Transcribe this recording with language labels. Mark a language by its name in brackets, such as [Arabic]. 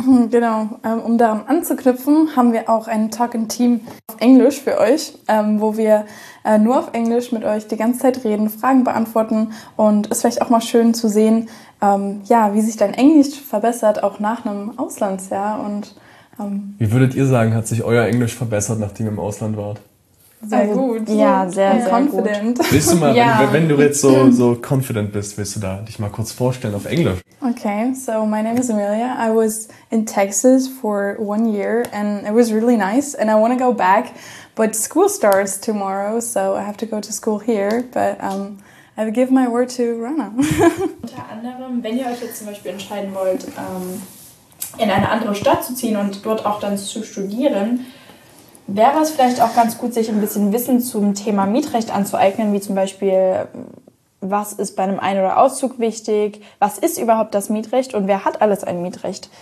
[German] Genau, um daran anzuknüpfen, haben wir auch ein Talk-in-Team auf Englisch für euch, wo wir nur auf Englisch mit euch die ganze Zeit reden, Fragen beantworten und es ist vielleicht auch mal schön zu sehen, ja, wie sich dein Englisch verbessert, auch nach einem Auslandsjahr. Und wie würdet ihr sagen, hat sich euer Englisch verbessert, nachdem ihr im Ausland wart? Sehr also, gut. Ja, sehr, sehr confident. Gut. Willst du mal, wenn du jetzt so confident bist, willst du da dich mal kurz vorstellen auf Englisch? [English] Okay, so my name is Amelia. I was in Texas for 1 year and it was really nice and I want to go back, but school starts tomorrow, so I have to go to school here, but I would give my word to Rana. [German] Unter anderem, wenn ihr euch jetzt zum Beispiel entscheiden wollt, in eine andere Stadt zu ziehen und dort auch dann zu studieren, wäre es vielleicht auch ganz gut, sich ein bisschen Wissen zum Thema Mietrecht anzueignen, wie zum Beispiel, was ist bei einem Ein- oder Auszug wichtig, was ist überhaupt das Mietrecht und wer hat alles ein Mietrecht?